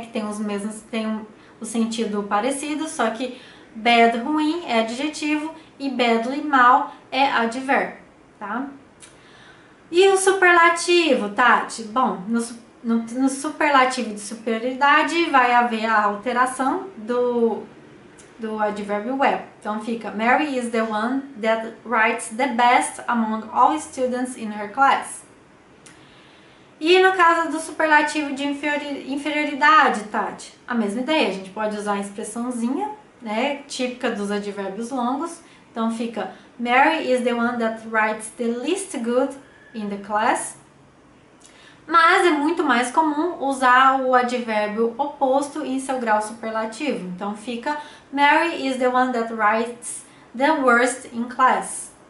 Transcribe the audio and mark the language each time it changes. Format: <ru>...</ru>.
<pt>Que tem os mesmos, tem o sentido parecido, só que bad, ruim é adjetivo, e badly, mal, é advérbio, tá? E o superlativo, Tati? Bom, no superlativo de superioridade vai haver a alteração do advérbio well. Então fica,</pt> <en>Mary is the one that writes the best among all students in her class.</en> <pt>E no caso do superlativo de inferioridade, Tati? A mesma ideia, a gente pode usar a expressãozinha, né, típica dos advérbios longos. Então fica,</pt> <en>Mary is the one that writes the least good in the class.</en> <pt>Mas é muito mais comum usar o advérbio oposto em seu grau superlativo. Então fica,</pt> <en>Mary is the one that writes the worst in class.</en>